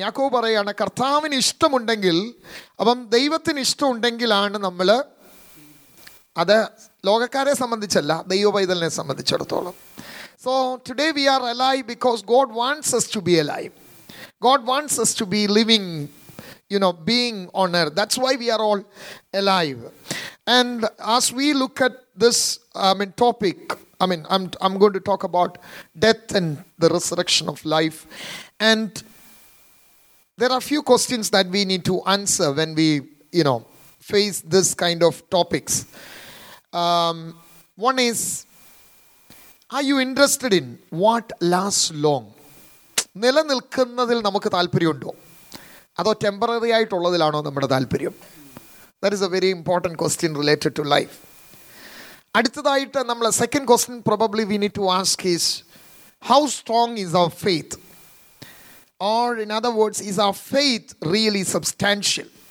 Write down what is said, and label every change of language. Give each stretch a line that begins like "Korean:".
Malayalam: യാക്കോബ് പറയുകയാണ്, കർത്താവിന് ഇഷ്ടമുണ്ടെങ്കിൽ, അപ്പം ദൈവത്തിന് ഇഷ്ടമുണ്ടെങ്കിലാണ് നമ്മൾ അത്, ലോകക്കാരെ സംബന്ധിച്ചല്ല, ദൈവപൈതലിനെ സംബന്ധിച്ചിടത്തോളം.
English: So today we are alive because God wants us to be alive. God wants us to be living, you know, being on earth. That's why we are all alive. And as we look at this, topic, I'm going to talk about death and the resurrection of life. And there are a few questions that we need to answer when we, you know, face this kind of topics. One is, are you interested in what lasts long?
Malayalam: നിലനിൽക്കുന്നതിൽ നമുക്ക് താല്പര്യമുണ്ടോ? അതോ temporary ആയിട്ടുള്ളതിലാണോ നമ്മുടെ താല്പര്യം?
English: That is a very important question related to life.
Malayalam: Adithathayitta nammala
English: second question probably we need to ask is, how strong is our faith? Or in other words, is our faith really substantial?